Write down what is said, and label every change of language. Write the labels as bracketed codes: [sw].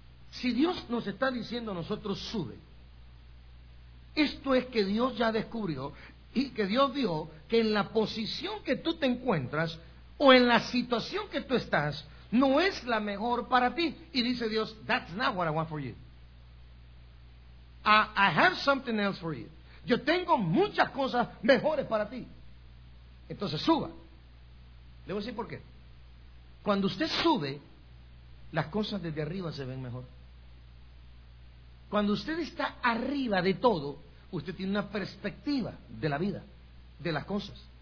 [es] Si Dios nos está diciendo a nosotros, sube. Esto es que Dios ya descubrió y que Dios vio que en la posición que tú te encuentras o en la situación que tú estás, no es la mejor para ti. Y dice Dios, [en] that's not what I want for you. I have something else for you. [es] Yo tengo muchas cosas mejores para ti. Entonces suba. Le voy a decir por qué. Cuando usted sube, las cosas desde arriba se ven mejor. Cuando usted está arriba de todo, usted tiene una perspectiva de la vida, de las cosas.